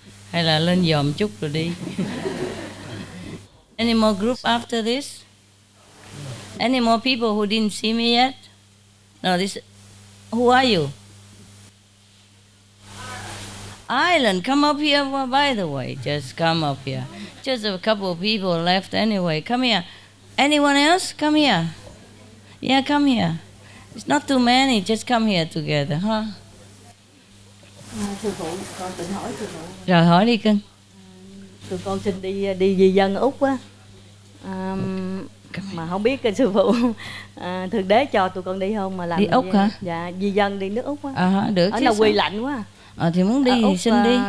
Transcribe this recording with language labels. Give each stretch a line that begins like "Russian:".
Vietnamese: Hay là lên dòm chút rồi đi.
English: Any more group after this? Any more people who didn't see me yet? No, this... Who are you? Ireland, come up here. Well, by the way, just come up here. Just a couple of people left anyway. Come here. Anyone else? Come here. Yeah, come here. It's not too many, just come here together, huh?
Vietnamese: Sư phụ, con tự hỏi sư phụ. Rồi hỏi đi cưng. Tụi con xin đi đi di dân Úc á. Mà không biết sư phụ thượng đế cho tụi con đi không mà làm đi Úc hả? Dạ, di dân đi nước Úc á. À hả, được chứ. Ở nó quy lạnh quá. À thì muốn đi ở thì Úc, xin đi.